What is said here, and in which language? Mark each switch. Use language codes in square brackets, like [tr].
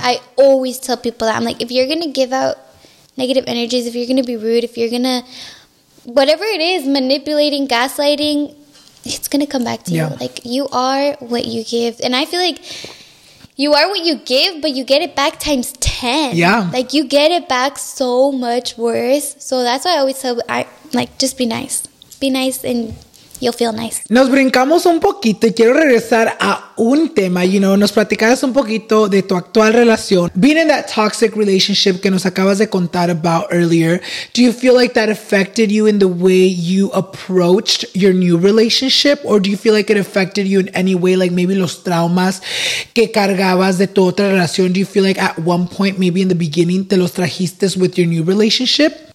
[en] I always tell people that. I'm like, if you're going to give out negative energies, if you're going to be rude, if you're going to, whatever it is, manipulating, gaslighting, it's going to come back to you. Like, you are what you give. And I feel like you are what you give, but you get it back times 10. Yeah. Like, you get it back so much worse. So that's why I always tell, just be nice. Be nice and you'll feel nice. [es] Nos brincamos un poquito y quiero regresar a un tema. [en] You know, [es] nos platicabas un poquito de tu actual relación. [en] Being in that toxic relationship [es] que nos acabas de contar [en] about earlier, do you feel like that affected you in the way you approached your new relationship? Or do you feel like it affected you in any way, like maybe [es] los traumas que cargabas de tu otra relación? [en] Do you feel like at one point, maybe in the beginning, [es] te los trajiste [en] with your new relationship?